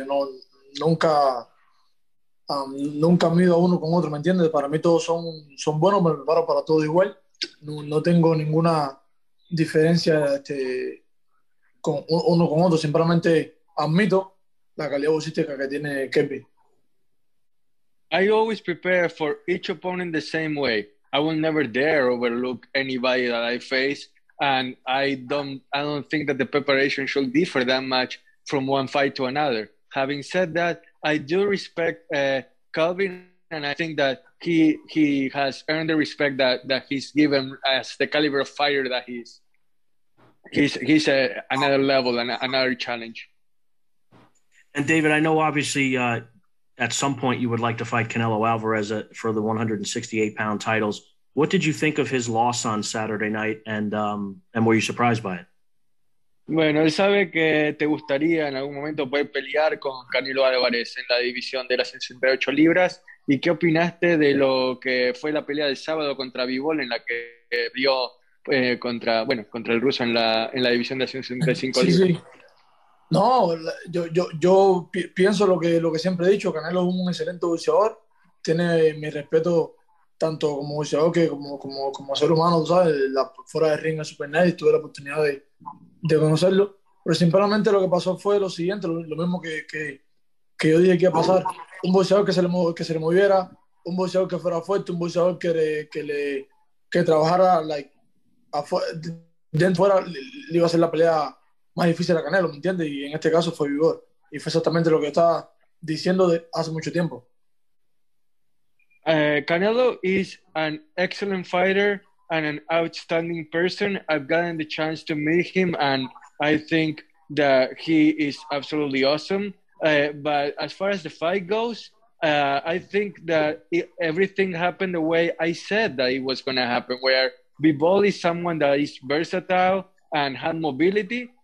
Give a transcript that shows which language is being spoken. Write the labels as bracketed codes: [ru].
[es] Yo nunca mido a uno con otro, ¿me entiendes? Para mí todos son buenos, me preparo para todo igual. No tengo ninguna diferencia con uno con otro, simplemente admito la calidad boxística que tiene Kepi. [en] I always prepare for each opponent the same way. I will never dare overlook anybody that I face, and I don't think that the preparation should differ that much from one fight to another. Having said that, I do respect Calvin, and I think that he has earned the respect that he's given as the caliber of fighter that he is. He's another level and another challenge. And David, I know obviously at some point you would like to fight Canelo Alvarez for the 168-pound titles. What did you think of his loss on Saturday night, and were you surprised by it? [es] Bueno, él sabe que te gustaría en algún momento poder pelear con Canelo Álvarez en la división de las 168 libras. ¿Y qué opinaste de lo que fue la pelea del sábado contra Bivol en la que vio contra el ruso en la división de las 165 libras? Sí, sí. No, yo pienso lo que siempre he dicho, Canelo es un excelente boxeador, tiene mi respeto tanto como boxeador que como ser humano, tú sabes, fuera de ring es [en] super nice, [es] tuve la oportunidad de conocerlo, pero sinceramente lo que pasó fue lo siguiente, lo mismo que yo dije que iba a pasar, un boxeador que se le moviera, un boxeador que fuera fuerte, un boxeador que trabajara like, fuera, le iba a hacer la pelea más difícil a Canelo, ¿me entiendes? Y en este caso fue Vigor. Y fue exactamente lo que estaba diciendo de hace mucho tiempo. [en] Canelo is an excellent fighter and an outstanding person. I've gotten the chance to meet him, and I think that he is absolutely awesome. But as far as the fight goes, I think that everything happened the way I said that it was going to happen, where Bivol is someone that is versatile and had mobility.